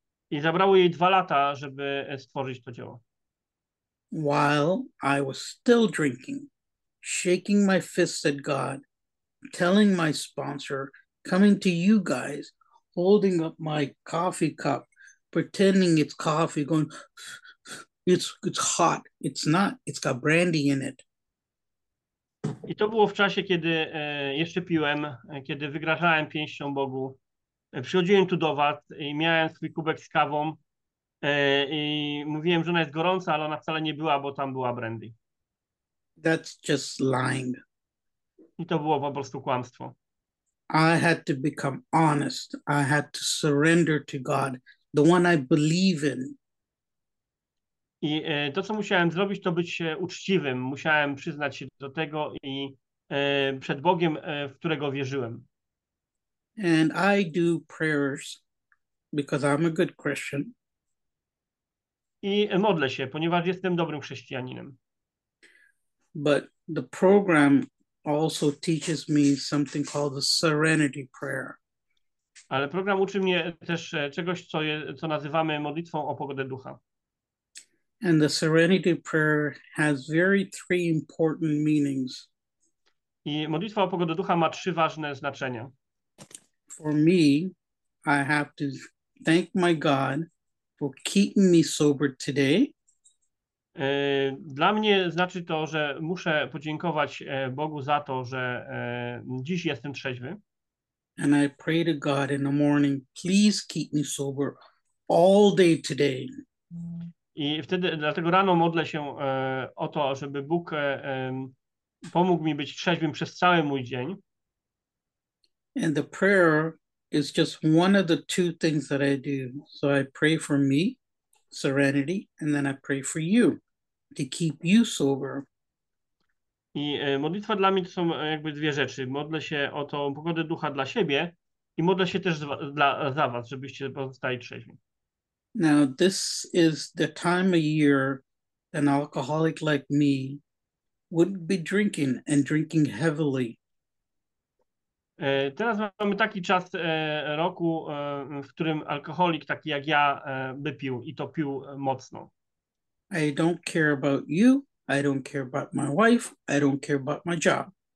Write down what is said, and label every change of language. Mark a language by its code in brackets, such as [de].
[pl] I zabrało jej 2 lata, żeby stworzyć to dzieło. [en] While I was still drinking, shaking my fists at God, telling my sponsor, coming to you guys, holding up my coffee cup, pretending it's coffee, going, it's hot, it's not, it's got brandy in it. [pl] I to było w czasie, kiedy jeszcze piłem, kiedy wygrażałem pięścią Bogu. Przychodziłem tu do was i miałem swój kubek z kawą i mówiłem, że ona jest gorąca, ale ona wcale nie była, bo tam była brandy. [en] That's just lying. [pl] I to było po prostu kłamstwo. [en] I had to become honest. I had to surrender to God, the one I believe in. [pl] I to, co musiałem zrobić, to być uczciwym. Musiałem przyznać się do tego i przed Bogiem, w którego wierzyłem. [en] And I do prayers because I'm a good Christian. [pl] I modlę się, ponieważ jestem dobrym chrześcijaninem. [en] But the program also teaches me something called the serenity prayer. [pl] Ale program uczy mnie też czegoś, co nazywamy modlitwą o pogodę ducha. [en] And the serenity prayer has very three important meanings. [pl] I modlitwa o pogodę ducha ma 3 ważne znaczenia. [en] For me, I have to thank my God for keeping me sober today. [pl] Dla mnie znaczy to, że muszę podziękować Bogu za to, że dziś jestem trzeźwy. [en] And I pray to God in the morning, please keep me sober all day today. [pl] I wtedy, dlatego rano modlę się o to, żeby Bóg pomógł mi być trzeźwym przez cały mój dzień. [en] And the prayer is just one of the two things that I do. So I pray for me, serenity, and then I pray for you, to keep you sober. [pl] I modlitwa dla mnie to są jakby 2 rzeczy. Modlę się o tą pogodę ducha dla siebie i modlę się też za was, żebyście pozostali trzeźwi. [en] Now, this is the time of year an alcoholic like me would be drinking and drinking heavily. [pl] Teraz mamy taki czas roku, w którym alkoholik taki jak ja by pił i to pił mocno. [en] I don't care about you, I don't care about my wife, I don't care about my job.